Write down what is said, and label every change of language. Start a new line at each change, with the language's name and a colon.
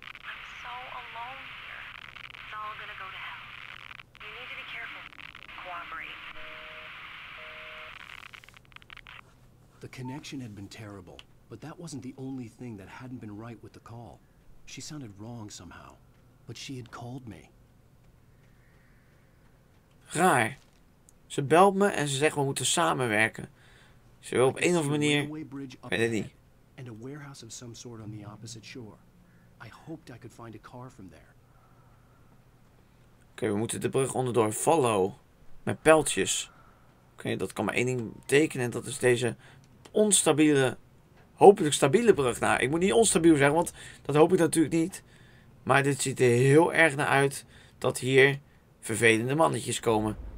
English: I'm so alone here. It's all gonna go to hell. You need to be careful. Cooperate. The connection had been terrible, but that wasn't the only thing that hadn't been right with the call. She sounded wrong somehow, but she had called me.
Dutch: Raar. Ze belt me en ze zegt we moeten samenwerken. Ze wil op een of andere manier, weet het niet.
English: And a warehouse of some sort on the opposite shore. I hoped I could find a car from there.
Dutch: Oké, we moeten de brug onderdoor. Follow. Met pijltjes. Oké, dat kan maar één ding betekenen en dat is deze onstabiele, hopelijk stabiele brug. Nou, ik moet niet onstabiel zeggen, want dat hoop ik natuurlijk niet. Maar dit ziet er heel erg naar uit dat hier vervelende mannetjes komen.